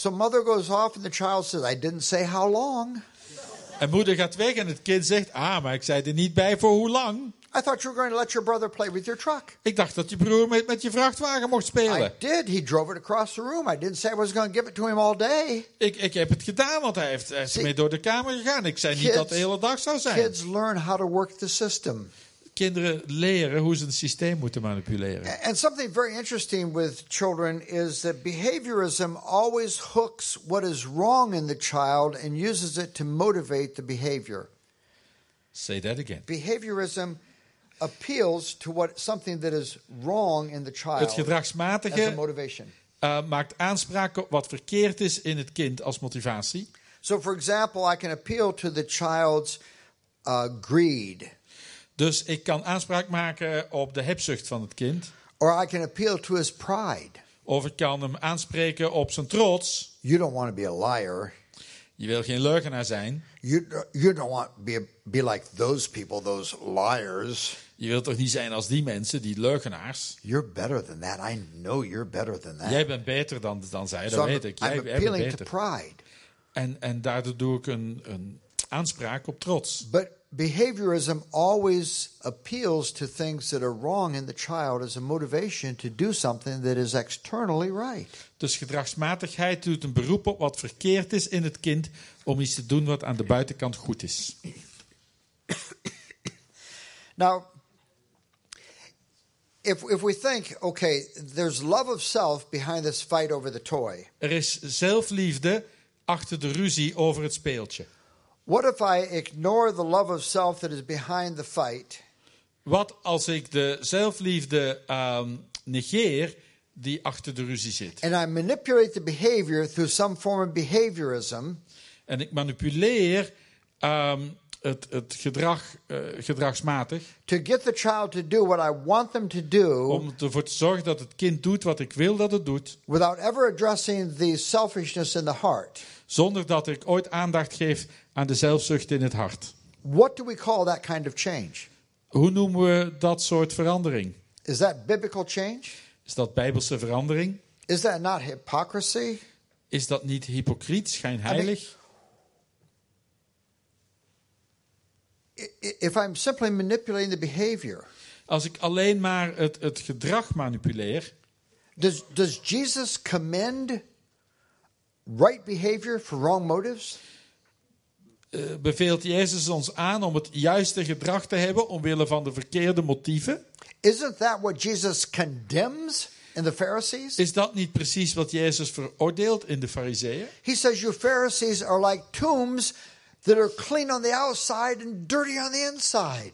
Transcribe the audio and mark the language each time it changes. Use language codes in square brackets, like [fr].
[en] So mother goes off and the child says, I didn't say how long. [nl] En moeder gaat weg en het kind zegt, maar ik zei er niet bij voor hoe lang. [en] I thought you were going to let your brother play with your truck. [nl] Ik dacht dat je broer met je vrachtwagen mocht spelen. [en] I did. He drove it across the room. I didn't say I was going to give it to him all day. [nl] Ik heb het gedaan, want hij is ermee door de kamer gegaan. Ik zei niet dat de hele dag zou zijn. [en] Kids learn how to work the system. [nl] Kinderen leren hoe ze een systeem moeten manipuleren. [en] And something very interesting with children is that behaviorism always hooks what is wrong in the child and uses it to motivate the behavior. Say that again. Behaviorism appeals to what something that is wrong in the child. [nl] Het gedragsmatige [en] as a motivation. [nl] Maakt aanspraak op wat verkeerd is in het kind als motivatie. [en] So for example, I can appeal to the child's greed. [nl] Dus ik kan aanspraak maken op de hebzucht van het kind. [en] Or I can appeal to his pride. [nl] Of ik kan hem aanspreken op zijn trots. [en] You don't want to be a liar. [nl] Je wil geen leugenaar zijn. [en] You don't want to be like those people, those liars. [nl] Je wilt toch niet zijn als die mensen, die leugenaars. [en] You're better than that. I know you're better than that. [nl] Jij bent beter dan zij, [en] so [nl] dat [en] I'm [nl] weet ik. Jij, [en] I'm appealing to pride. [nl] En daardoor doe ik een aanspraak op trots. [en] But behaviorism always appeals to things that are wrong in the child as a motivation to do something that is externally right. [nl] Dus gedragsmatigheid doet een beroep op wat verkeerd is in het kind om iets te doen wat aan de buitenkant goed is. [en] Now, if we think, okay, there's love of self behind this fight over the toy. [nl] Er is zelfliefde achter de ruzie over het speeltje. [en] What if I ignore the love of self that is behind the fight? [nl] Wat als ik de zelfliefde negeer die achter de ruzie zit? [en] And I manipulate the behavior through some form of behaviorism. [nl] En ik manipuleer het gedrag gedragsmatig. [en] To get the child to do what I want them to do. [nl] Om ervoor te zorgen dat het kind doet wat ik wil dat het doet. [en] Without ever addressing the selfishness in the heart. [nl] Zonder dat ik ooit aandacht geef aan de zelfzucht in het hart. [en] What do we call that kind of change? [nl] Hoe noemen we dat soort verandering? [en] Is that biblical change? [nl] Is dat bijbelse verandering? [en] Is that not hypocrisy? [nl] Is dat niet hypocriet, schijnheilig? [en] If I'm simply manipulating the behavior. [nl] Als ik alleen maar het gedrag manipuleer. [en] Does Jesus commend right behavior for wrong motives? [nl] Beveelt Jezus ons aan om het juiste gedrag te hebben omwille van de verkeerde motieven? [en] Isn't that what Jesus condemns in the Pharisees? [nl] Is dat niet precies wat Jezus veroordeelt in de Farizeeën? [en] He says you Pharisees are like tombs that are clean on the outside and dirty on the inside.